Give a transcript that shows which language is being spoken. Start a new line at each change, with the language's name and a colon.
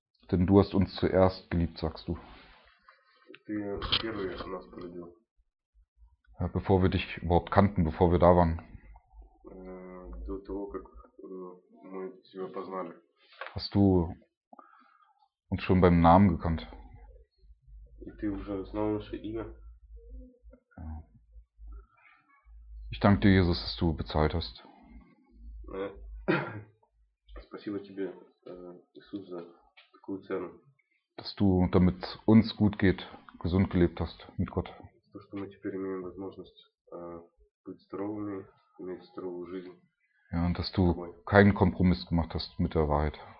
German: Denn du hast uns zuerst geliebt, sagst du.
Russian: Ты первый нас полюбил.
German: Bevor wir dich überhaupt kannten, bevor wir da waren.
Russian: До того, как мы тебя познали.
German: Hast du uns schon beim Namen gekannt?
Russian: И ты уже знал наше имя.
German: Ich danke dir, Jesus, dass du bezahlt hast.
Russian: Спасибо тебе, Иисус, за такую цену.
German: Dass du, damit es uns gut geht, gesund gelebt hast mit Gott.
Russian: То, что мы теперь имеем возможность быть здоровыми, иметь здоровую жизнь.
German: Ja, und dass du keinen Kompromiss gemacht hast mit der Wahrheit.